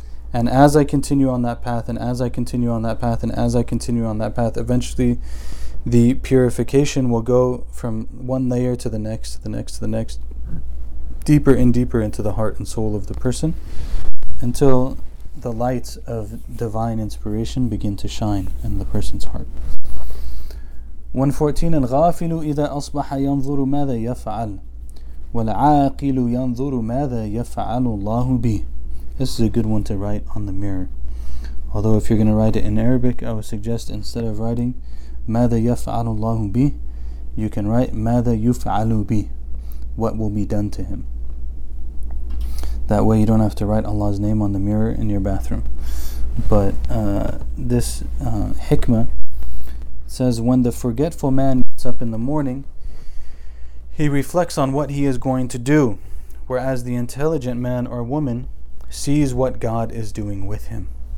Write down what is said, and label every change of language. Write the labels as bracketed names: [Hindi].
[English] And as I continue on that path, and as I continue on that path, and as I continue on that path, eventually the purification will go from one layer to the next, to the next, to the next, deeper and deeper into the heart and soul of the person, until the lights of divine inspiration begin to shine in the person's heart. 114. [Arabic] الغافل إذا أصبح ينظر ماذا يفعل والعاقل ينظر ماذا يفعل الله به. [English] This is a good one to write on the mirror. Although if you're going to write it in Arabic, I would suggest instead of writing [Arabic] ماذا يفعل الله به, [English] you can write [Arabic] ماذا يفعل به, [English] what will be done to him. That way you don't have to write Allah's name on the mirror in your bathroom. But this hikmah says, when the forgetful man gets up in the morning, he reflects on what he is going to do, whereas the intelligent man or woman sees what God is doing with him.